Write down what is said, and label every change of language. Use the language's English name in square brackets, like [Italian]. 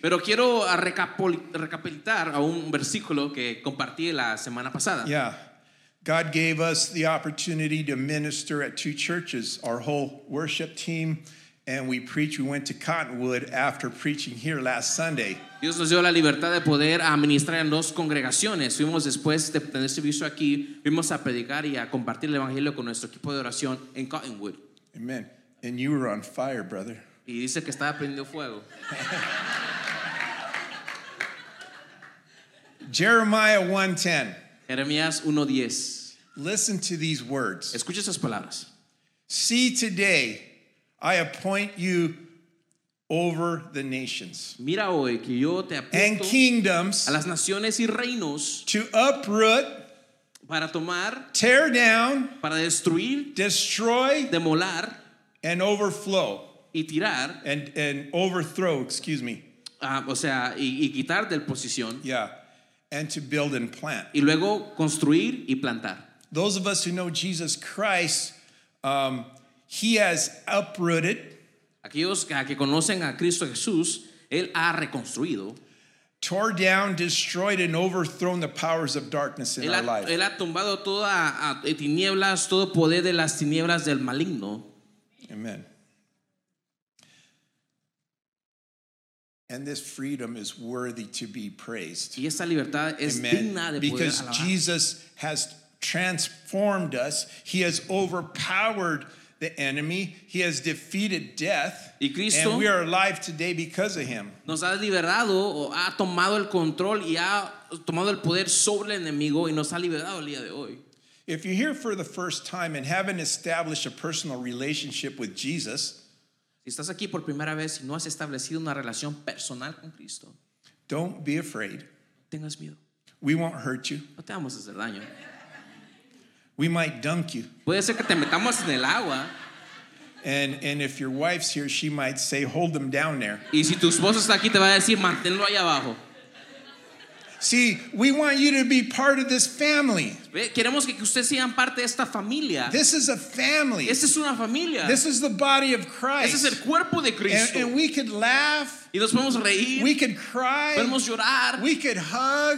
[Spanish] Pero quiero recapitular a un versículo que compartí la semana pasada. [English] Yeah. God gave us the opportunity to minister at two churches, our whole worship team, and we preached. We went to Cottonwood after preaching here last Sunday. [Spanish] Dios nos dio la libertad de poder administrar en dos congregaciones. Fuimos después de tener servicio aquí, fuimos a predicar y a compartir el evangelio con nuestro equipo de oración en Cottonwood. [English] Amen. And you were on fire, brother. [Spanish] Y dice que estaba prendiendo fuego. [English] Jeremiah 1:10. [Spanish] Jeremías 1:10. [English] Listen to these words. [Spanish] Escucha esas palabras. [English] See today, I appoint you over the nations. [Spanish] Mira hoy que yo te apunto. [English] And kingdoms. [Spanish] A las naciones y reinos. [English] To uproot. [Spanish] Para tomar. [English] Tear down. [Spanish] Para destruir. [English] Destroy. [Spanish] Demolar. [English] And overflow. [Spanish] Y tirar. [English] And overthrow, excuse me. [Spanish] O sea, y quitar del posición. [English] Yeah. And to build and plant. [Spanish] Y luego construir y plantar. [English] Those of us who know Jesus Christ, he has uprooted. [Spanish] Aquellos que conocen a Cristo Jesús, él ha reconstruido. [English] Tore down, destroyed, and overthrown the powers of darkness in our life. [Spanish] Él ha tumbado todas tinieblas, todo poder de las tinieblas del maligno. [English] Amen. And this freedom is worthy to be praised. [Spanish] Y esa libertad es [English] Amen. [Spanish] Digna de poder [English] Because [Spanish] alabar. [English] Jesus has transformed us. He has overpowered the enemy. He has defeated death. [Spanish] Y Cristo, [English] and we are alive today because of him. [Spanish] Nos ha liberado o ha tomado el control y ha tomado el poder sobre el enemigo y nos ha liberado el día de hoy. [English] If you're here for the first time and haven't established a personal relationship with Jesus, [Spanish] si estás aquí por primera vez y no has establecido una relación personal con Cristo, [English] don't be afraid. [Spanish] No tengas miedo. [English] We won't hurt you. [Spanish] No te vamos a hacer daño. [English] We might dunk you. [Spanish] Puede ser que te metamos en el agua. [English] And if your wife's here, she might say, hold them down there. [Spanish] Y si tu esposo está aquí, te va a decir, manténlo ahí abajo. [English] See, we want you to be part of this family. [Spanish] Queremos que usted sea parte de esta familia. [English] This is a family. [Spanish] Esta es una familia. [English] This is the body of Christ. [Spanish] Este es el cuerpo de Cristo. [English] And we could laugh. [Spanish] Y nos podemos reír. [English] We could cry. [Spanish] Podemos llorar. [English] We could hug.